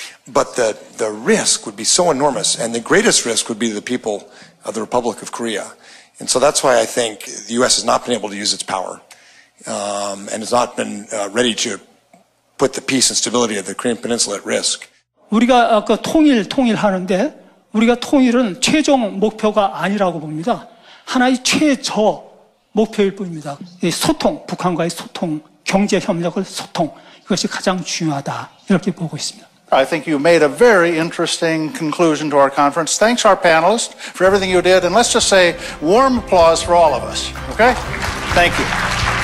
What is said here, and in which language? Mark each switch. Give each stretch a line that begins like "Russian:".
English: But the risk would be so enormous, and the greatest risk would be the people of the Republic of Korea. And so that's why I think the U.S. has not been able to use its power and has not been ready to put the peace and stability of the Korean Peninsula at risk.
Korean: 우리가 아까 통일 하는데 우리가 통일은 최종 목표가 아니라고 봅니다. 하나의 최저 목표일 뿐입니다. 소통, 북한과의 소통, 경제 협력을 소통, 이것이 가장 중요하다 이렇게 보고 있습니다.
English: I think you made a very interesting conclusion to our conference. Thanks our panelists for everything you did, and let's just say warm applause for all of us. Okay? Thank you.